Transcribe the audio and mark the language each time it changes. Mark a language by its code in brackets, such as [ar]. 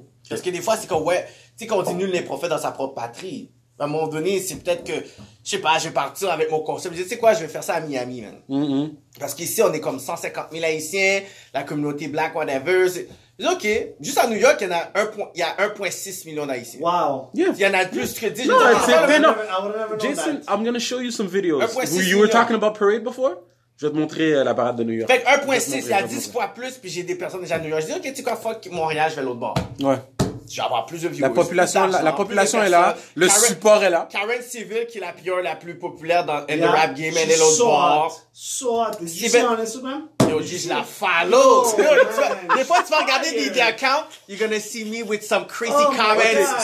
[fr] Parce que des fois, c'est comme, ouais, tu sais, qu'on dit, nul n'est prophète dans sa propre patrie. À un moment donné, c'est peut-être que, je sais pas, je vais partir avec mon concept. Je dis, tu sais quoi, je vais faire ça à Miami, man. Parce qu'ici, on est comme 150 000 Haïtiens, la communauté black, whatever. OK, juste à New York, il y a 1.6 million d'Haïtiens. Wow. Yes. Il y en a plus que 10. [en] No, that's it. No. Jason, I'm going to show you some videos. You were talking about parade before? [fr] Je vais te montrer la parade de New York. Fait que 1.6, il y a 10 fois plus, puis j'ai des personnes déjà à New York. Je dis, OK, tu crois, fuck Montréal, je vais l'autre bord. Ouais. Je vais avoir plus de viewers. La population est là. Le support est là. Karen Civil, qui est la pure la plus populaire dans [en] the rap game, [fr] elle est l'autre bord. Soit. Civil. Tu sais, on est souvent? Yo, je la follow. Oh, des fois, tu vas regarder des accounts. [en] You're gonna see me with some crazy comments.